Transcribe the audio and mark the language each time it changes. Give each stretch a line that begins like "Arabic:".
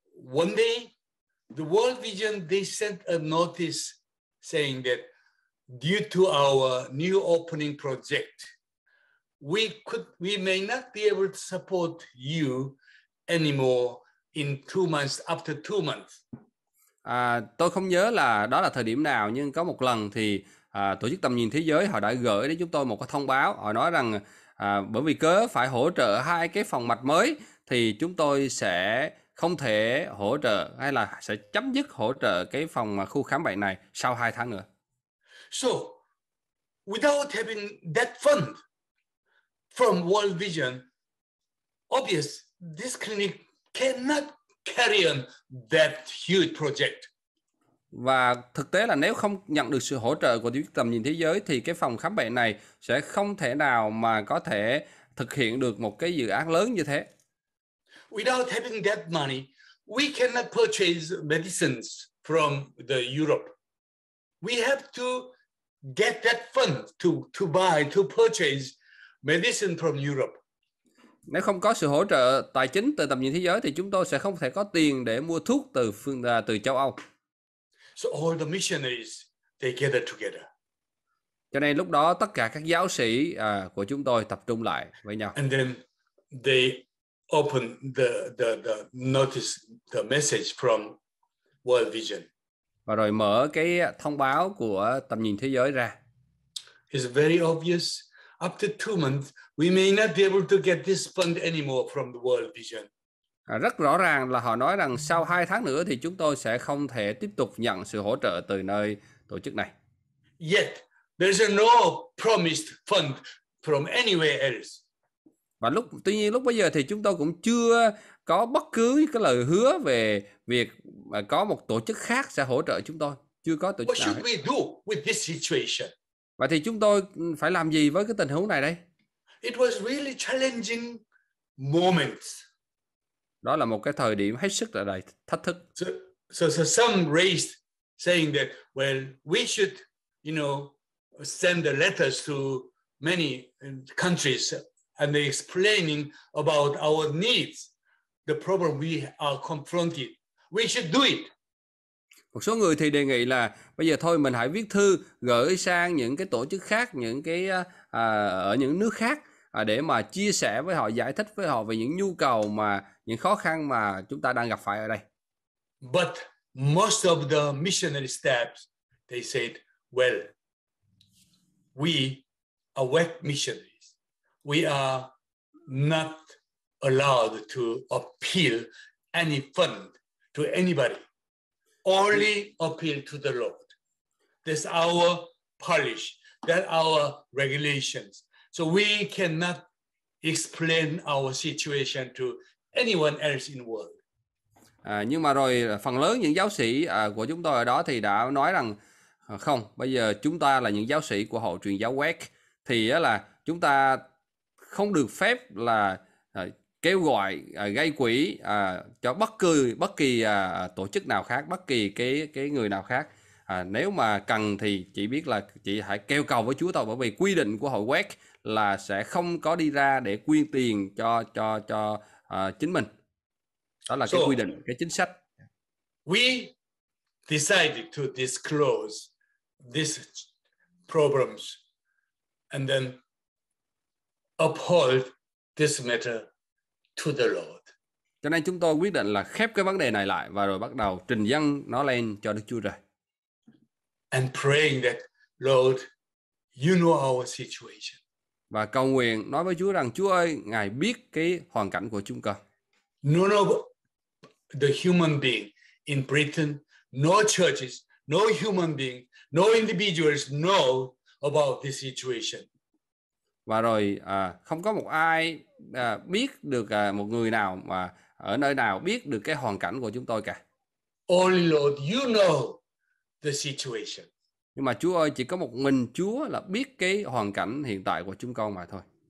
English: One day the World Vision, they sent a notice saying that due to our new opening project, we may not be able to support you anymore in 2 months, after 2 months.
Vietnamese: Tôi không nhớ là đó là thời điểm nào, nhưng có một lần thì tổ chức tầm nhìn thế giới họ đã gửi đến chúng tôi một cái thông báo. Họ nói rằng bởi vì cớ phải hỗ trợ hai cái phòng mạch mới thì chúng tôi sẽ không thể hỗ trợ hay là sẽ chấm dứt hỗ trợ cái phòng khu khám bệnh này sau 2 tháng nữa.
English: So without having that fund from World Vision, obvious this clinic cannot carry on that huge project.
Vietnamese: Và thực tế là nếu không nhận được sự hỗ trợ của tổ chức tầm nhìn thế giới thì cái phòng khám bệnh này sẽ không thể nào mà có thể thực hiện được một cái dự án lớn như thế.
English: Without having that money, we cannot purchase medicines from the Europe. We have to get that fund to buy, to purchase medicine from Europe.
Vietnamese: Nếu không có sự hỗ trợ tài chính từ tầm nhìn thế giới thì chúng tôi sẽ không thể có tiền để mua thuốc từ châu Âu.
English: So all the missionaries, they gather together.
Vietnamese: Cho nên lúc đó tất cả các giáo sĩ của chúng tôi tập trung lại với nhau.
English: And then they open the notice, the message from World Vision.
Vietnamese: Và rồi mở cái thông báo của tầm nhìn thế giới ra.
English: It's very obvious. After 2 months, we may not be able to get this fund anymore from the World Vision.
Vietnamese: Rất rõ ràng là họ nói rằng sau 2 tháng nữa thì chúng tôi sẽ không thể tiếp tục nhận sự hỗ trợ từ nơi tổ chức này.
English: Yet, there's no promised fund from anywhere else.
Vietnamese: Và tuy nhiên lúc bây giờ thì chúng tôi cũng chưa có bất cứ cái lời hứa về việc có một tổ chức khác sẽ hỗ trợ chúng tôi. Chưa có tổ chức nào.
English: What should we do with this situation?
Vietnamese: Vậy thì chúng tôi phải làm gì với cái tình huống này đây?
English: It was really challenging moment.
Vietnamese: Đó là một cái thời điểm hết sức là đầy thách thức.
English: So some raised saying that, well, we should, you know, send the letters to many countries and they explaining about our needs, the problem we are confronted. We should do it.
Vietnamese: Một số người thì đề nghị là bây giờ thôi mình hãy viết thư gửi sang những cái tổ chức khác, những cái ở những nước khác để mà chia sẻ với họ, giải thích với họ về những nhu cầu mà những khó khăn mà chúng ta đang gặp phải ở đây.
English: But most of the missionary staff, they said, well, we are wet missionaries. We are not allowed to appeal any fund to anybody. Only appeal to the Lord. That's our polish. That's our regulations. So we cannot explain our situation to anyone else in the world.
Vietnamese: Nhưng mà rồi phần lớn những giáo sĩ của chúng tôi ở đó thì đã nói rằng không, bây giờ chúng ta là những giáo sĩ của hội truyền giáo WEC thì là chúng ta không được phép là kêu gọi gây quỹ cho bất kỳ tổ chức nào khác, bất kỳ cái người nào khác. Nếu mà cần thì chỉ biết là chị hãy kêu cầu với Chúa thôi, bởi vì quy định của hội WEC là sẽ không có đi ra để quyên tiền cho chính mình. Đó là cái quy định, cái chính sách.
English: We decided to disclose these problems and then uphold this matter to the Lord.
Vietnamese: Cho nên chúng tôi quyết định là khép cái vấn đề này lại và rồi bắt đầu trình dâng nó lên cho Đức Chúa Trời.
English: And praying that, Lord, you know our situation.
Vietnamese: Và cầu nguyện nói với Chúa rằng, Chúa ơi, Ngài biết cái hoàn cảnh của chúng con.
English: None of the human being in Britain, no churches, no human being, no individuals know about this situation.
Vietnamese: Và rồi không có một ai biết được một người nào mà ở nơi nào biết được cái hoàn cảnh của chúng tôi cả.
English: Only Lord, you know the situation.
Vietnamese: Nhưng mà Chúa ơi, chỉ có một mình Chúa là biết cái hoàn cảnh hiện tại của chúng con mà thôi.